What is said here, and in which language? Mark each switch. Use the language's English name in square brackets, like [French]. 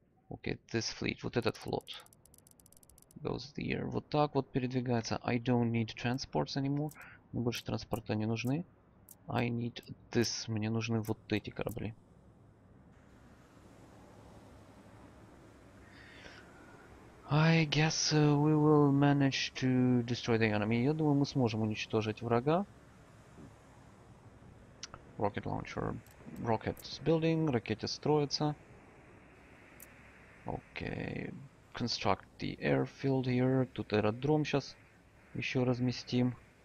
[English] Okay, this fleet, [Russian] вот этот флот. [English] Goes there. [Russian] Вот так вот передвигается. [English] I don't need transports anymore. [Russian] Мне больше транспорта не нужны. [English] I need this. [Russian] Мне нужны вот эти корабли. [English] I guess we will manage to destroy the enemy. [Russian] Я думаю, мы сможем уничтожить врага. [English] Rocket launcher. Rocket is building. [Russian] Ракета строится. Окей, [English] okay. Construct the airfield here. [Russian] Тут аэродром сейчас еще разместим.